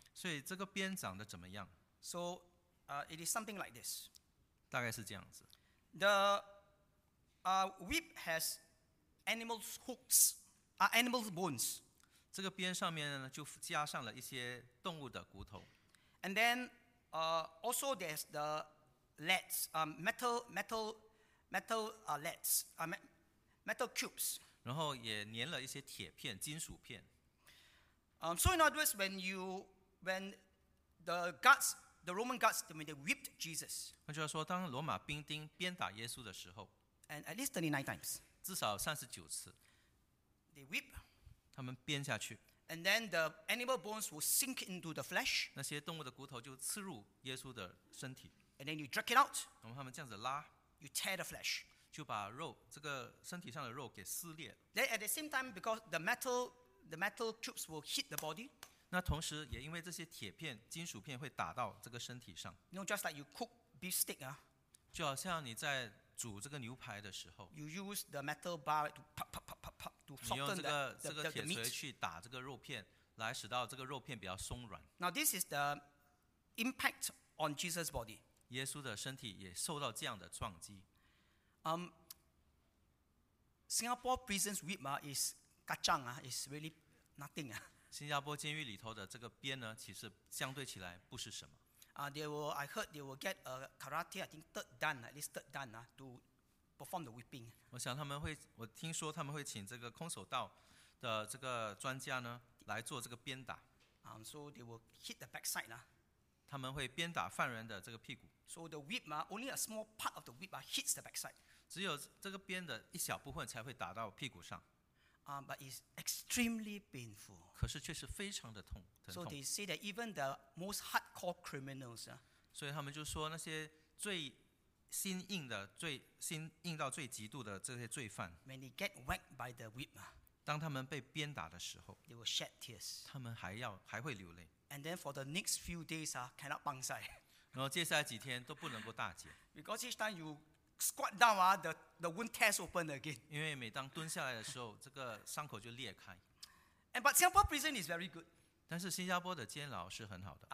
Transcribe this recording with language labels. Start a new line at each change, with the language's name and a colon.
Chinese: 所以这个鞭长得怎么样？
English: So it is something like this.
Chinese: 大概是这样子。
English: The whip has animals' hooks, animals' bones.
Chinese: 这个鞭上面呢就加上了一些动物的骨头。
English: And then also there's the leads, metal cubes.
Chinese: 然后也粘了一些铁片、金属片。
English: So in other words, when the guards, the Roman guards, when they whipped Jesus,
Chinese: 那就是说，当罗马兵丁鞭打耶稣的时候
English: ，and at least 39 times,
Chinese: 至少39次
English: ，they whip,
Chinese: 他们鞭下去
English: ，and then the animal bones will sink into the flesh,
Chinese: 那些动物的骨头就刺入耶稣的身体
English: ，and then you drag it out,
Chinese: 然后他们这样子拉
English: ，you tear the flesh,
Chinese: 就把肉这个身体上的肉给撕裂
English: ，then at the same time because the metal tubes will hit the body.
Chinese: 那同时也因为这些铁片、金属片会打到这个身体上。
English: You know, just like you cook beef steak, 啊，
Chinese: 就好像你在煮这个牛排的时候。
English: You use the metal bar to pop pop pop pop pop to soften the meat.
Chinese: 你用这个铁锤去打这个肉片，来使到这个肉片比较松软。
English: Now this is the impact on Jesus' body.
Chinese: 耶稣的身体也受到这样的撞击。
English: Singapore prisons whip is kacang, is really nothing.
Chinese: 新加坡监狱里头的这个鞭呢，其实相对起来不是什么。
English: I heard they will get a karate, I think third dan, to perform the whipping.
Chinese: 我听说他们会请这个空手道的这个专家呢来做这个鞭打。
English: So they will hit the backside.
Chinese: 他们会鞭打犯人的这个屁股。
English: So the whip, only a small part of the whip hits the backside.
Chinese: 只有这个鞭的一小部分才会打到屁股上。
English: But it's extremely painful.
Chinese: 可是却是非常的痛。
English: So they say that even the most hardcore criminals,
Chinese: 所以他们就说那些最心硬的、最心硬到最极度的这些罪犯
English: ，when they get whacked by the whip,
Chinese: 当他们被鞭打的时候
English: ，they will shed tears.
Chinese: 他们还会流泪。
English: And then for the next few days, cannot bounce.
Chinese: 然后接下来几天都不能够大解。
English: Because each time you squat down, the wound tears open again.
Chinese: 因为每当蹲下来的时候，这个伤口就裂开。
English: But Singapore prison is very good.
Chinese: 但是新加坡的监牢是很好的。